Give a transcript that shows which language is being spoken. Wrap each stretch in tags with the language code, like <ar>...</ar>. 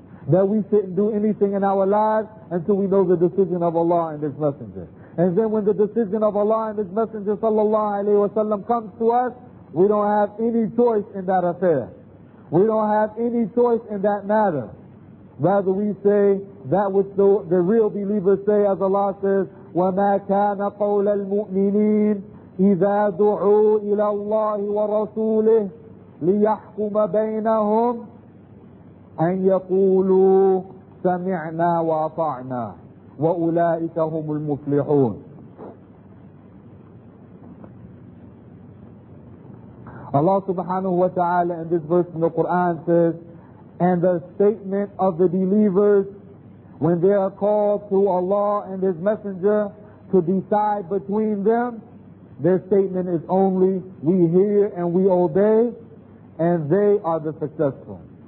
<en>That we sit and do anything in our lives until we know the decision of Allah and His Messenger. And then when the decision of Allah and His Messenger sallallahu alayhi wa sallam comes to us, we don't have any choice in that affair. We don't have any choice in that matter. Rather, we say that which the real believers say, as Allah says,</en> <ar>وَمَا كَانَ قَوْلَ الْمُؤْمِنِينَ إِذَا دُعُوا إِلَى اللَّهِ وَرَسُولِهِ لِيَحْكُمَ بَيْنَهُمْ أَنْ يَقُولُوا سَمِعْنَا وَأَطَعْنَا وَأُولَئِكَ هُمُ الْمُفْلِحُونَ.</ar> <en>Allah subhanahu wa ta'ala in this verse in the Quran says, and the statement of the believers when they are called to Allah and His Messenger to decide between them, their statement is only, we hear and we obey, and they are the successful.</en>